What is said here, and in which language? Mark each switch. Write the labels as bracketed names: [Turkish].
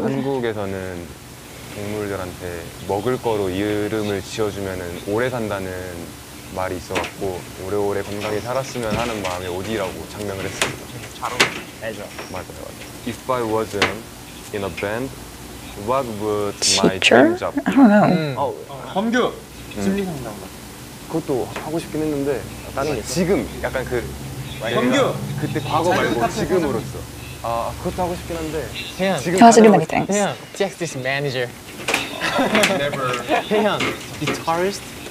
[Korean] 한국에서는 동물들한테 먹을 거로 이름을 지어주면은 오래 산다는 말이 있어갖고 오래오래 건강히 살았으면 하는 마음에 오디라고 장명을 했습니다. 잘 어울리죠. 맞아요, 맞아요. [English] If I wasn't in a band, what would my dream job be? I don't know. [Korean] 범규! 심리상담. 그것도 하고 싶긴 했는데 나는 지금 약간 그 범규! 그때 과거 말고 지금으로서 그것도 하고 싶긴 한데 [English] He wants to do many things. TXT's manager. Never. Taehyun, guitarist?